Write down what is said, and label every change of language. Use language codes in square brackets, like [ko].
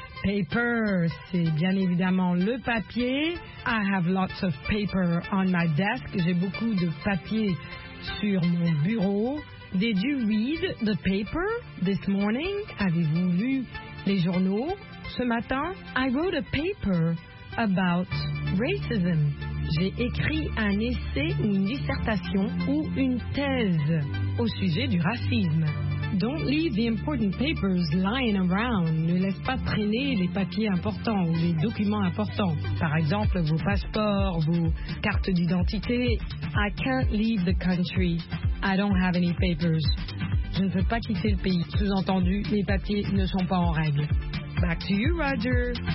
[fr] Paper, c'est bien évidemment le papier. [en] I have lots of paper on my desk. [fr] J'ai beaucoup de papier sur mon bureau. [en] Did you read the paper this morning? [fr] Avez-vous lu les journaux ce matin? [en] I wrote a paper about racism. [fr] J'ai écrit un essai ou une dissertation ou une thèse au sujet du racisme. [en] Don't leave the important papers lying around. [fr] Ne laisse pas traîner les papiers importants ou les documents importants. Par exemple, vos passeports, vos cartes d'identité. [en] I can't leave the country. I don't have any papers. [fr] Je ne peux pas quitter le pays. Sous-entendu, les papiers ne sont pas en règle. [en] Back to you, Roger.